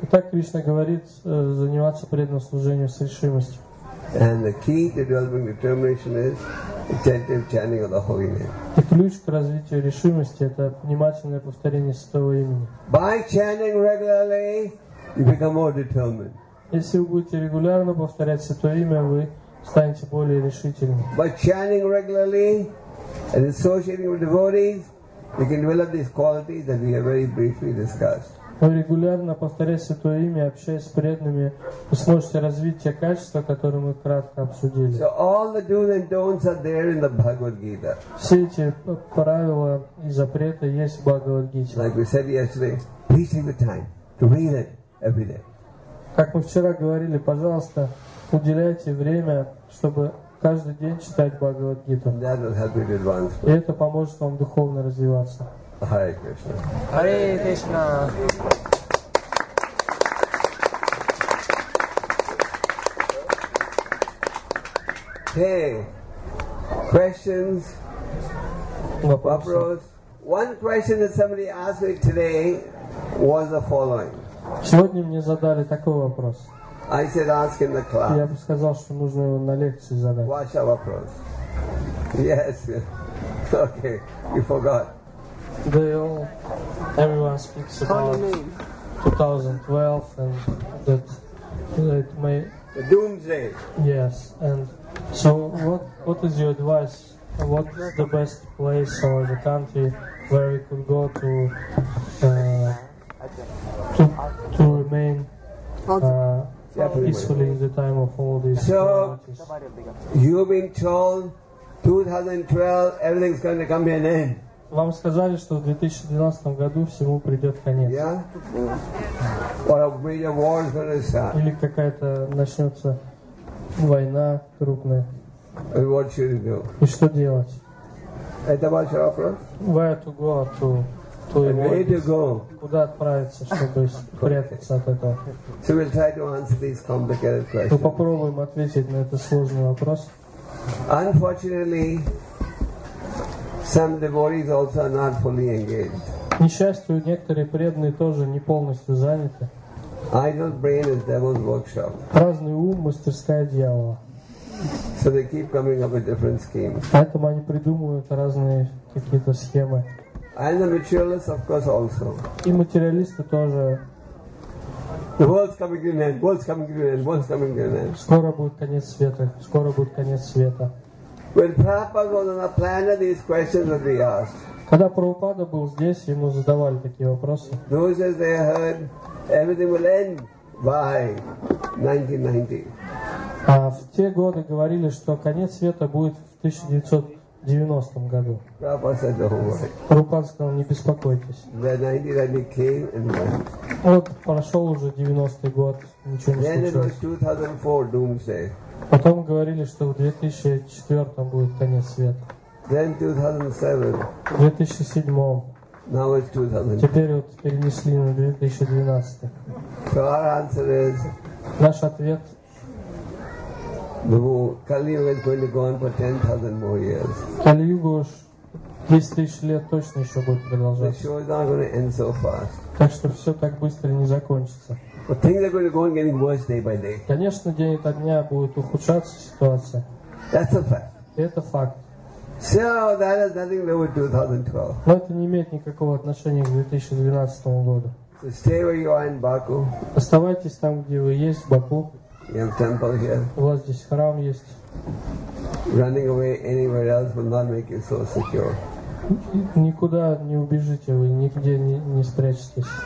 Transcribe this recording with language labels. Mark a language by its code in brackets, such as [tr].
[ru] Итак, Кришна говорит, заниматься преданным служением с решимостью. [en] And the key to developing determination is attentive chanting of the holy name. [ru] И ключ к развитию решимости — это внимательное повторение святого имени. [en] By chanting regularly, you become more determined. [ru] Если вы будете регулярно повторять святое имя, вы станете более решительным. [en] By chanting regularly and associating with devotees, you can develop these qualities that we have very briefly discussed. [ru] регулярно повторяя Святое Имя, общаясь с преданными, вы сможете развить те качества, которые мы кратко обсудили. [en] So all the do's and don'ts are there in the Bhagavad Gita. [ru] Все эти правила и запреты есть в Бхагавад-гите. [en] Like we said yesterday, please take the time to read it every day. [ru] Как мы вчера говорили, пожалуйста, уделяйте время, чтобы каждый день читать Бхагавад-гиту. [en] That will help you advance. [ru] И это поможет вам духовно развиваться. [en] Hare Krishna. Hare Krishna. Hey, questions? [ru] Вопрос. [en] One question that somebody asked me today was the following. [ru] Сегодня мне задали такой вопрос. [en] I said ask in the class. [ru] Я бы сказал, что нужно его на лекции задать. Ваш вопрос. [en] Yes. Okay, you forgot. They all, everyone speaks about 2012 and that it may... The doomsday. Yes, and so what is your advice? What's the best place or the country where we could go to remain peacefully in the time of all these... So, you've been told 2012, everything's going to come to an end. [ru] Вам сказали, что в 2012 году всему придет конец. [en] Yeah? [ru] Или какая-то начнется война крупная. И что делать? Это ваш вопрос? [en] Where to go to where go? [ru] Куда отправиться, чтобы спрятаться от этого? [en] So we'll try to answer these complicated questions. [ru] Мы попробуем ответить на этот сложный вопрос. [en] Unfortunately, some devotees also are not fully engaged. [ru] Несчастью, некоторые преданные тоже не полностью заняты. [en] Idle brain is devil's workshop. [ru] Праздный ум – мастерская дьявола. [en] So they keep coming up with different schemes. [ru] Поэтому они придумывают разные какие-то схемы. [en] And the materialists, of course, also. [ru] И материалисты тоже. [en] The world's coming to an end. World's coming to an end. World's coming to an end. [ru] Скоро будет конец света. Скоро будет конец света. [en] When Prabhupada was on the planet, these questions would be asked. [ru] Когда Прабхупада был здесь, ему задавали такие вопросы. [en] Those as they heard, everything will end by 1990. [ru] А в те годы говорили, что конец света будет в 1990 году. [en] Prabhupada said, "Don't worry." [ru] Прабхупада сказал, не беспокойтесь. [en] Then 1990 came and went. [ru] Вот прошел уже 90-й год, ничего не [en] then [ru] случилось. [en] Then it was 2004 doomsday. [ru] Потом говорили, что в 2004 будет конец света. [en] Then 2007. [ru] В 2007. [en] Now it's 2000. [ru] Теперь вот перенесли на 2012. [en] So our answer is, [ru] наш ответ. [en] Kali-yuga is going to go on for 10,000 more years. [ru] Кали-юга уж 10,000 лет точно еще будет продолжаться. [en] The show is not going to end so fast. [ru] Так что все так быстро не закончится. [en] But things are going to go on getting worse day by day. [ru] Конечно, день ото дня будет ухудшаться ситуация. [en] That's a fact. [ru] Это факт. [en] So that has nothing to do with 2012. [ru] Но это не имеет никакого отношения к 2012 году. [en] So stay where you are in Baku. [ru] Оставайтесь там, где вы есть, в Баку. [en] You have temple here. [ru] У вас здесь храм есть. [en] Running away anywhere else will not make you so secure. [ru] Никуда не убежите вы, нигде не спрячетесь.